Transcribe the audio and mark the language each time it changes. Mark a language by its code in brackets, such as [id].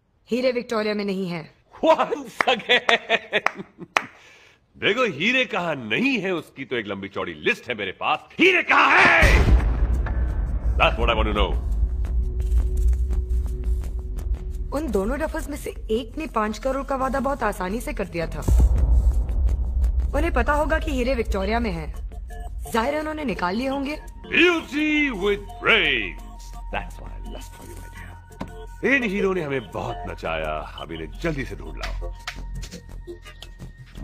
[hi] हीरे विक्टोरिया में नहीं है। [en] Once again! [hi] देखो हीरे कहाँ नहीं है उसकी तो एक लंबी चौड़ी लिस्ट है मेरे पास। हीरे कहाँ है? [en] That's what I want to know. [hi] उन दोनों रफ़स में से एक ने 5 करोड़ का वादा बहुत आसानी से कर दिया था। उन्हें पता होगा कि हीरे विक्टोरिया में है, जाहिर उन्होंने निकाल लिए होंगे। [en] Beauty with brains. That's why I lust for you. [hi] In hero ने हमें बहुत नचाया, अब इन्हें जल्दी से ढूंढ लाओ।